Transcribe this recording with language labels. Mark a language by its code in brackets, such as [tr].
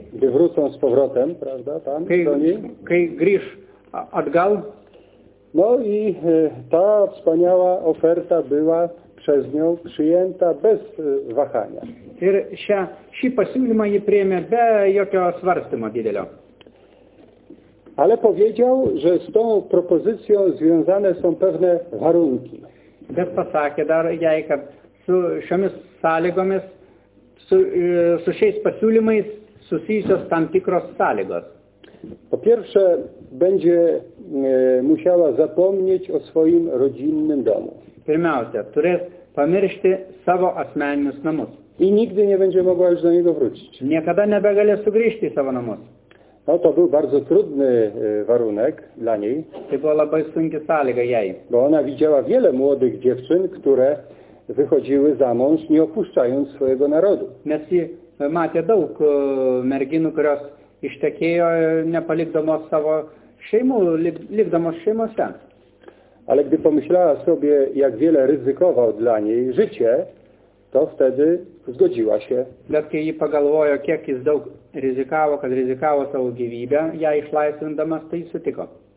[pl] Gdy wrócą z powrotem, prawda, tam, [lt] kai grįš atgal. [pl] No i ta wspaniała oferta była przez nią przyjęta bez wahania. [lt] Ir šį pasiūlymą jį priėmė be jokio svarstymo didelio. [pl] Ale powiedział, że z tą propozycją związane są pewne warunki. [lt] Bet pasakė dar jai, kad su šiomis sąlygomis, su šiais pasiūlymais susijusios tam tikros sąlygos. [pl] Po pierwsze, będzie musiała zapomnieć o swoim rodzinnym domu. [lt] Pirmiausia, turės pamiršti savo asmeninius namus. [pl] I nigdy nie będzie mogła już do niego wrócić. [lt] Niekada nebegalės sugrįžti į savo namus. [pl] No to był bardzo trudny warunek dla niej. [lt] Tai buvo labai sunki sąlyga jai. [pl] Bo ona widziała wiele młodych dziewczyn, które wychodziły za mąż, nie opuszczając swojego narodu. [lt] Nes ji matė daug merginų, kurios ištekėjo nepalikdamos savo šeimų, likdamos šeimose. [pl] Ale gdy pomyślała sobie, jak wiele ryzykował dla niej życie, to wtedy zgodziła się. [lt] Bet kai ji pagalvojo, kiek jis daug rizikavo, kad rizikavo savo gyvybę, ją išlaisvindamas, tai sutiko.